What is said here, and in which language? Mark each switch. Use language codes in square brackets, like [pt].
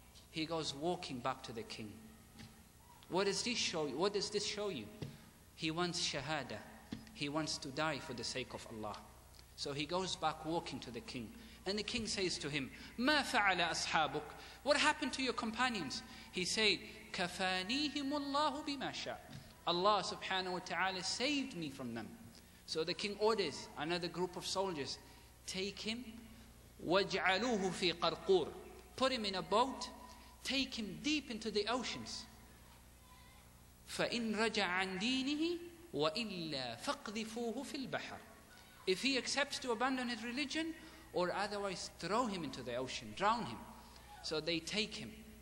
[en] He goes walking back to the king. What does this show you? What does this show you? He wants shahada. He wants to die for the sake of Allah. So he goes back walking to the king. And the king says to him, [ar] مَا فَعَلَ أَصْحَابُكَ. [en] What happened to your companions? He said, [ar] كَفَانِيهِمُ اللَّهُ بِمَا شَاءَ. [en] Allah subhanahu wa ta'ala saved me from them. So the king orders another group of soldiers, take him, [ar] وَاجْعَلُوهُ فِي قَرْقُورِ, [en] put him in a boat, take him deep into the oceans. [ar] فَإِنْ رَجَعَ عَنْ دِينِهِ وَإِلَّا فَقْذِفُوهُ فِي الْبَحَرِ, [en] if he accepts to abandon his religion, or otherwise throw him into the ocean, drown him. So they take him.